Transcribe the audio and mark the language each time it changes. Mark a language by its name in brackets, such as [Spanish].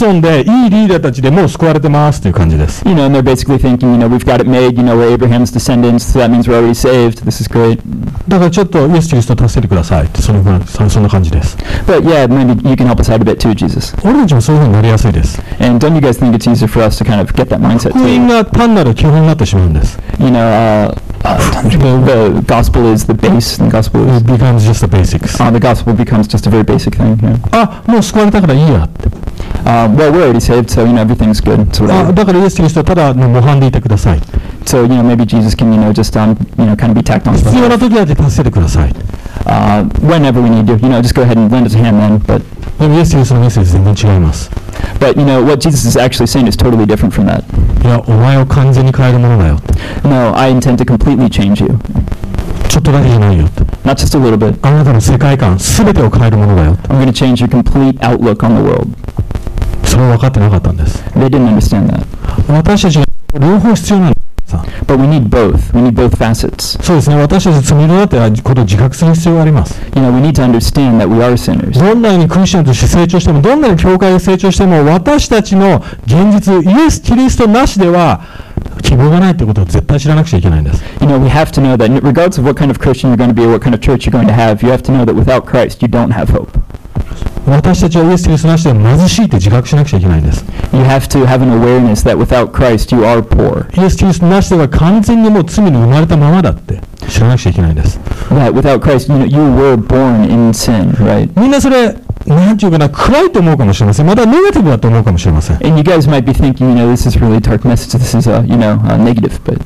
[English] You know, and they're basically thinking, you know, we've got it made, you know, we're Abraham's descendants, so that means we're already saved, this is great. But yeah, maybe you can help us out a bit too, Jesus. And don't you guys think it's easier for us to kind of get that mindset? [Japanese] 福音が単なる基本になってしまうんです。You [English] know, the gospel is the base, and the gospel is... It becomes just the basics. The gospel becomes just a very basic thing, yeah. [Japanese] もう救われたからいいやって。 [English] Well, we're already saved, so, you know, everything's good. [Japanese] だからイエス・キリストはただ模範でいてください。 [English] So, you know, maybe Jesus can, you know, just, you know, kind of be tacked on. [Japanese] 必要な時は助けてください。 [English] Whenever we need to, you know, just go ahead and lend us a hand then, but... [Japanese] でもイエス・キリストのメッセージ全然違います。 [English] But, you know, what Jesus is actually saying is totally different from that. No, I intend to completely change you. Not just a little bit. I'm going to change your complete outlook on the world. They didn't understand that. But we need both. We need both facets. You know, we need to understand that we are sinners. [Japanese] 希望がないということを絶対知らなくちゃいけないんです。 [English] You know, we have to know that regardless of what kind of Christian you're going to be or what kind of church you're going to have, you have to know that without Christ, you don't have hope. [Japanese] 私たちはイエス・キリストなしで貧しいって自覚しなくちゃいけないんです。 [English] You have to have an awareness that without Christ, you are poor. [Japanese] イエス・キリストなしでは完全にもう罪に生まれたままだって知らなくちゃいけないんです。 [English] That without Christ, you know, you were born in sin, right? [Japanese] みんなそれ、なんていうかな、暗いと思うかもしれません。またネガティブだと思うかもしれません。 [English] And you guys might be thinking, you know, this is really dark message, this is, you know, negative, but...